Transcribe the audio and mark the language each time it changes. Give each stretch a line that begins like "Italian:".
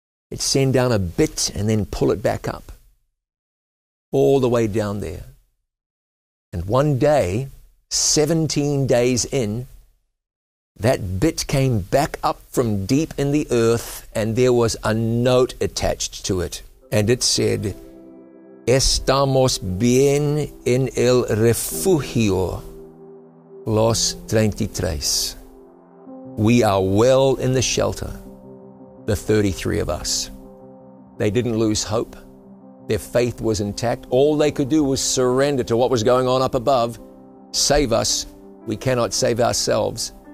English: It'd send down a bit and then pull it back up all the way down there. And one day, 17 days in, that bit came back up from deep in the earth and there was a note attached to it.
Spanish: And it said, Estamos bien en el refugio, los 33.
English: We are well in the shelter, the 33 of us. They didn't lose hope. Their faith was intact. All they could do was surrender to what was going on up above. Save us. We cannot save ourselves.